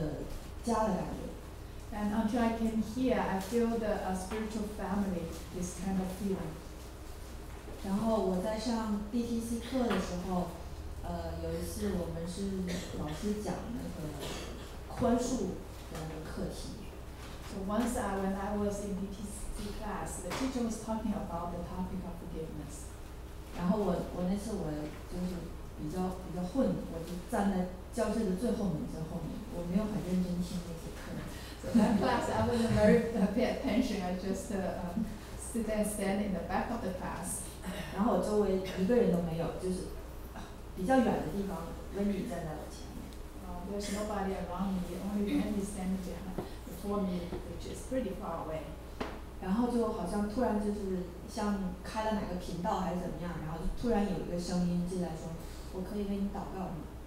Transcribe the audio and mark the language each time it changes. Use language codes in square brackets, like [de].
[zh] 到了这边之后，觉得真的是有属灵的家的感觉。 [en] And until I came here, I feel the spiritual family, this kind of feeling. [zh] 然后我在上 DTC 课的时候，有一次我们是老师讲那个宽恕的课题。 [en] So once when I was in DTC class, the teacher was talking about the topic of forgiveness. [zh] 然后我那次我就是。比较混，我就站在教室的最后门，在后面，我没有很认真听那些课。 [en] So that class, I wasn't very pay attention. I just sit and stand in the back of the class. [zh] 然后我周围一个人都没有，就是比较远的地方，Wendy站在我前面。 [en] There's nobody around me. Only Wendy standing before me, which is pretty far away. [zh] 然后就好像突然就是像开了哪个频道还是怎么样，然后突然有一个声音进来说。 我可以为你祷告吗？